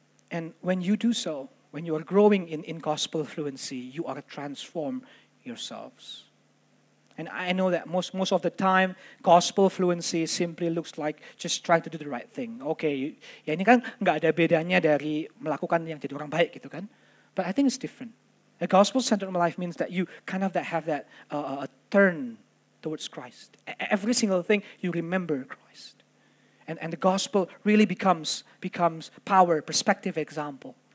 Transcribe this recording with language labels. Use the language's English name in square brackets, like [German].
[English] And when you do so, when you are growing in gospel fluency, you are transformed yourselves. And I know that most of the time, gospel fluency simply looks like just trying to do the right thing. [Indonesian] Okay, ya ini kan nggak ada bedanya dari melakukan yang jadi orang baik gitu kan. [English] But I think it's different. A gospel-centered life means that you kind of have that a turn towards Christ. Every single thing, you remember Christ. And the gospel really becomes power, perspective, example.